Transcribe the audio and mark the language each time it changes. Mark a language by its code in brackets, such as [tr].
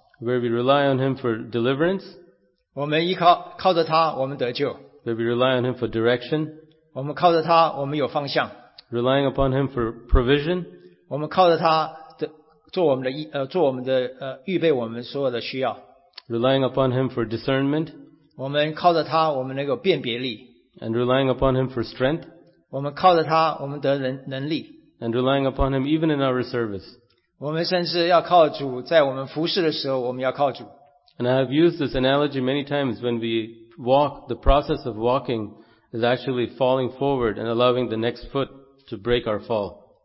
[en] Where we rely on Him for deliverance. [zh] 我们依靠着他，我们得救。 [en] Where we rely on Him for direction. [zh] 我们靠着他，我们有方向。 [en] Relying upon Him for provision. [zh] 我们靠着他做我们的预备我们所有的需要。 [en] Relying upon Him for discernment. [zh] 我们靠着他，我们能够辨别力。 [en] And relying upon Him for strength. [zh] 我们靠着他，我们得能力。 [en] And relying upon Him even in our service. [zh] 我们甚至要靠主，在我们服事的时候，我们要靠主。 [en] And I have used this analogy many times when we walk, the process of walking is actually falling forward and allowing the next foot to break our fall.